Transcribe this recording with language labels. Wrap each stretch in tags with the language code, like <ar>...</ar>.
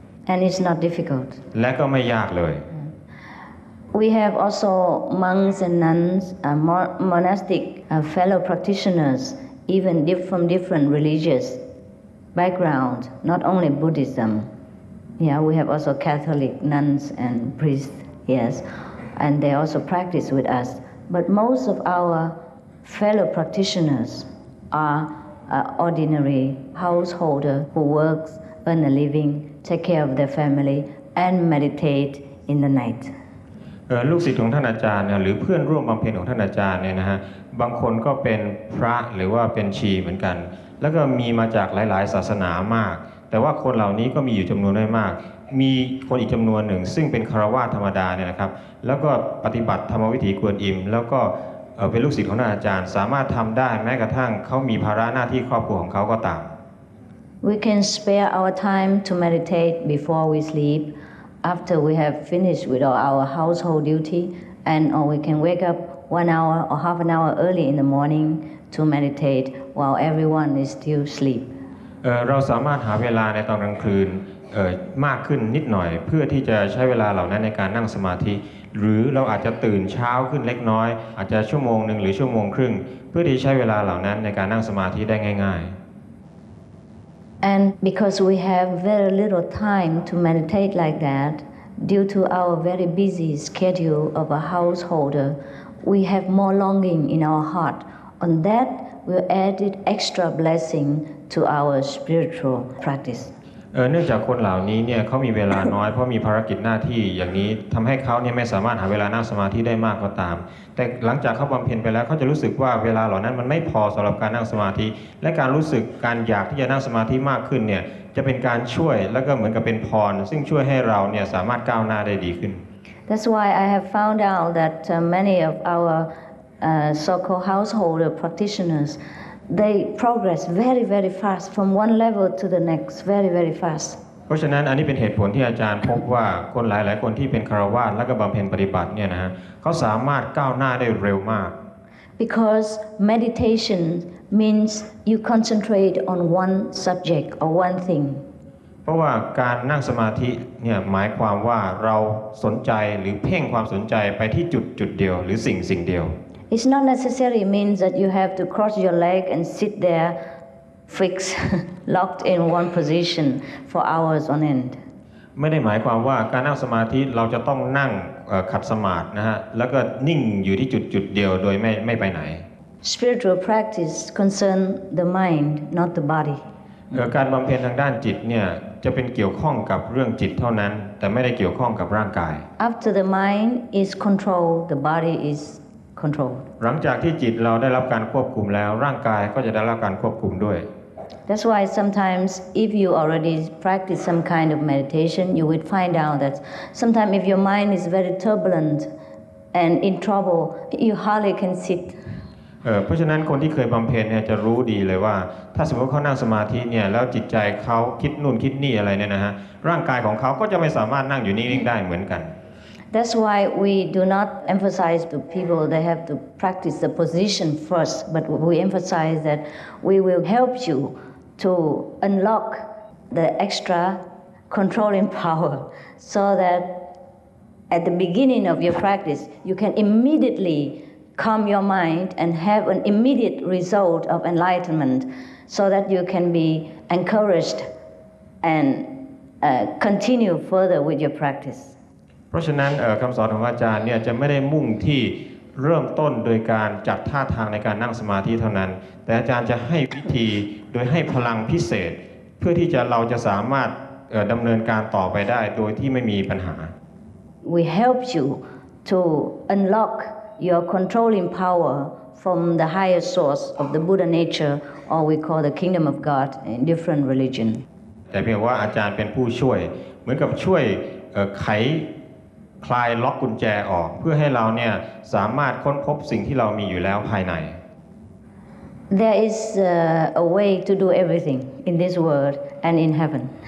<en>And it's not difficult</en> <th>และก็ไม่ยากเลย</th> <en>We have also monks and nuns monastic fellow practitioners even from different religious background not only Buddhism Yeah we have also Catholic nuns and priests yesAnd they also practice with us. But most of our fellow practitioners are ordinary householder who works, earn a living, take care of their family, and meditate in the night.</en> <th>ลูกศิษย์ของท่านอาจารย์หรือเพื่อนร่วมบำเพ็ญของท่านอาจารย์เนี่ยนะฮะบางคนก็เป็นพระหรือว่าเป็นชีเหมือนกันแล้วก็มีมาจากหลายๆศาสนามากแต่ว่าคนเหล่านี้ก็มีอยู่จำนวนไม่มากมีคนอีกจำนวนหนึ่งซึ่งเป็นคฤหัสถ์ธรรมดาเนี่ยนะครับแล้วก็ปฏิบัติธรรมวิถีกวนอิมแล้วก็เป็นลูกศิษย์ของท่านอาจารย์สามารถทำได้แม้กระทั่งเขามีภาระหน้าที่ครอบครัวของเขาก็ตาม</th> <en>We can spare our time to meditate before we sleep after we have finished with all our household duty and or we can wake up 1 hour or half an hour early in the morning to meditate while everyone is still sleep</en> <th>เราสามารถหาเวลาในตอนกลางคืนมากขึ้นนิดหน่อยเพื่อที่จะใช้เวลาเหล่านั้นในการนั่งสมาธิหรือเราอาจจะตื่นเช้าขึ้นเล็กน้อยอาจจะชั่วโมงหนึ่งหรือชั่วโมงครึ่งเพื่อที่ใช้เวลาเหล่านั้นในการนั่งสมาธิได้ง่าย</th> <en>ๆ And because we have very little time to meditate like that due to our very busy schedule of a householder we have more longing in our heart on that we added extra blessing to our spiritual practice</en> <th>เนื่องจากคนเหล่านี้เนี่ยเขามีเวลาน้อยเพราะมีภารกิจหน้าที่อย่างนี้ทำให้เขาเนี่ยไม่สามารถหาเวลานั่งสมาธิได้มากก็ตามแต่หลังจากเขาบำเพ็ญไปแล้วเขาจะรู้สึกว่าเวลาเหล่านั้นมันไม่พอสำหรับการนั่งสมาธิและการรู้สึกการอยากที่จะนั่งสมาธิมากขึ้นเนี่ยจะเป็นการช่วยแล้วก็เหมือนกับเป็นพรซึ่งช่วยให้เราเนี่ยสามารถก้าวหน้าได้ดีขึ้น</th> <en>That's why I have found out that many of our so-called household practitioners. They progress very very fast from one level to the next very very fast</en> <th>เพราะฉะนั้นอันนี้เป็นเหตุผลที่อาจารย์พบว่าคนหลายๆคนที่เป็นคฤหัสถ์และก็บำเพ็ญปฏิบัติเนี่ยนะฮะเขาสามารถก้าวหน้าได้เร็วมาก</th> <en>Because meditation means you concentrate on one subject or one thing</en> <th>เพราะว่าการนั่งสมาธิเนี่ยหมายความว่าเราสนใจหรือเพ่งความสนใจไปที่จุดเดียวหรือสิ่งเดียว</th> <en>It's not necessary means that you have to cross your leg and sit there fixed locked in one position for hours on end</en> <th>ไม่ได้หมายความว่าการนั่งสมาธิเราจะต้องนั่งขัดสมาธินะฮะแล้วก็นิ่งอยู่ที่จุดเดียวโดยไม่ไปไหน</th> <en>Spiritual practice concern the mind not the body</en> <th>การบำเพ็ญทางด้านจิตเนี่ยจะเป็นเกี่ยวข้องกับเรื่องจิตเท่านั้นแต่ไม่ได้เกี่ยวข้องกับร่างกาย</th> <en>After the mind is controlled the body is</en> <th>หลังจากที่จิตเราได้รับการควบคุมแล้วร่างกายก็จะได้รับการควบคุมด้วย</th> <en>That's why sometimes if you already practice some kind of meditation you would find out that sometimes if your mind is very turbulent and in trouble you hardly can sit</en> <th>เพราะฉะนั้นคนที่เคยบำเพ็ญเนี่ยจะรู้ดีเลยว่าถ้าสมมติเขานั่งสมาธิเนี่ยแล้วจิตใจเขาคิดนู่นคิดนี่อะไรเนี่ยนะฮะร่างกายของเขาก็จะไม่สามารถนั่งอยู่นิ่งได้เหมือนกัน</th> <en>That's why we do not emphasize to people they have to practice the position first but we emphasize that we will help you to unlock the extra controlling power so that at the beginning of your practice you can immediatelycalm your mind and have an immediate result of enlightenment so that you can be encouraged and continue further with your practice</en> <th>เพราะฉะนั้นคําสอนของอาจารย์เนี่ยจะไม่ได้มุ่งที่เริ่มต้นโดยการจัดท่าทางในการนั่งสมาธิเท่านั้นแต่อาจารย์จะให้วิธีโดยให้พลังพิเศษเพื่อที่จะเราจะสามารถดําเนินการต่อไปได้โดยที่ไม่มีปัญหา</th> <en>We help you to unlockyour controlling power from the higher source of the Buddha nature or we call the kingdom of God in different religion</en> <th>แต่เพียงว่าอาจารย์เป็นผู้ช่วยเหมือนกับช่วยไขคลายล็อกกุญแจออกเพื่อให้เราเนี่ยสามารถค้นพบสิ่งที่เรามีอยู่แล้วภายใน</th> <en>There is a way to do everything in this world and in heaven</en>